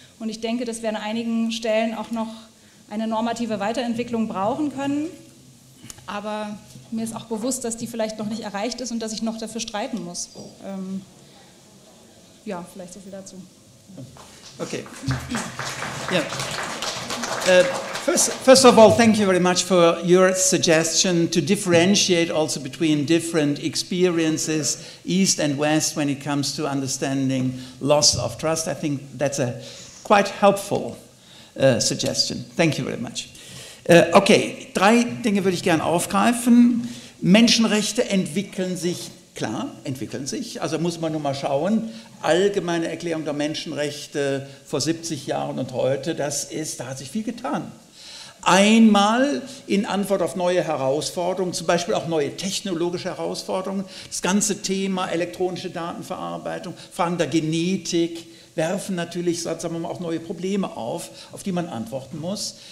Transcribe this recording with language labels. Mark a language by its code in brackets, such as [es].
[de] Und ich denke, dass wir an einigen Stellen auch noch eine normative Weiterentwicklung brauchen können. Aber mir ist auch bewusst, dass die vielleicht noch nicht erreicht ist und dass ich noch dafür streiten muss. Ja, vielleicht so viel dazu. [en] Okay. Yeah. First of all, thank you very much for your suggestion to differentiate also between different experiences, East and West, when it comes to understanding loss of trust. I think that's a quite helpful suggestion. Thank you very much. [de] Okay, drei Dinge würde ich gerne aufgreifen. Menschenrechte entwickeln sich, klar, entwickeln sich, also muss man nur mal schauen, allgemeine Erklärung der Menschenrechte vor 70 Jahren und heute, da hat sich viel getan. Einmal in Antwort auf neue Herausforderungen, zum Beispiel auch neue technologische Herausforderungen, das ganze Thema elektronische Datenverarbeitung, Fragen der Genetik, werfen natürlich, sagen wir mal, auch neue Probleme auf die man antworten muss.